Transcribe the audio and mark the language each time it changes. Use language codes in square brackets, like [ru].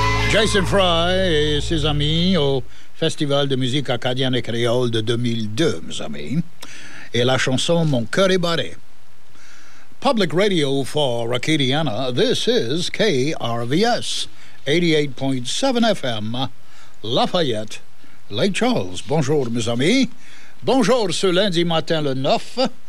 [fr] Jason Fry et ses amis au Festival de musique acadienne et créole de 2002, mes amis. Et la chanson Mon cœur est barré. [en] Public radio for Acadiana, this is KRVS, 88.7 FM, Lafayette, Lake Charles. [fr] Bonjour, mes amis. Bonjour, ce lundi matin le 9.